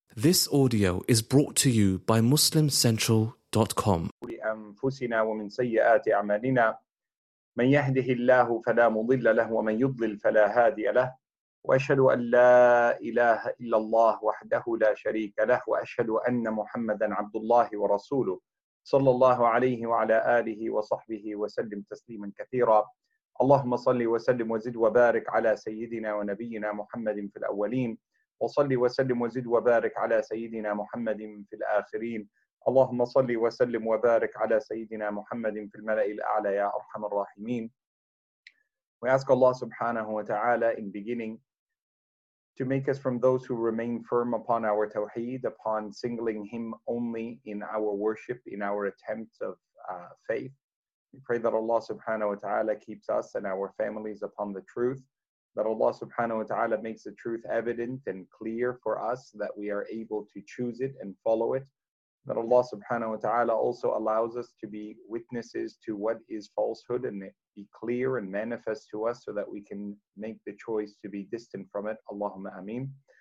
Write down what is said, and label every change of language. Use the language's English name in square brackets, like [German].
[English] This audio is brought to you by MuslimCentral.com. [Arabic] لأنفسنا ومن سيئات أعمالنا من يهده الله فلا مضل له ومن يضلل فلا هادي له وأشهد أن لا إله إلا الله وحده لا شريك له وأشهد أن محمدا عبد الله ورسوله صلى الله عليه وعلى آله وصحبه وسلم تسليما كثيرا اللهم صل وسلم وزد وبارك على سيدنا ونبينا محمد في الأولين وصل وسلم وزد وبارك على سيدنا محمد في الآخرين اللهم صل وسلم وبارك على سيدنا محمد في الملأ الأعلى يا أرحم الراحمين. [English] We ask Allah subhanahu wa ta'ala in beginning to make us from those who remain firm upon our tawheed, upon singling Him only in our worship, in our attempts of faith. We pray that Allah subhanahu wa ta'ala keeps us and our families upon the truth, that Allah subhanahu wa ta'ala makes the truth evident and clear for us, that we are able to choose it and follow it, that Allah subhanahu wa ta'ala also allows us to be witnesses to what is falsehood and be clear and manifest to us so that we can make the choice to be distant from it. Allahumma ameen.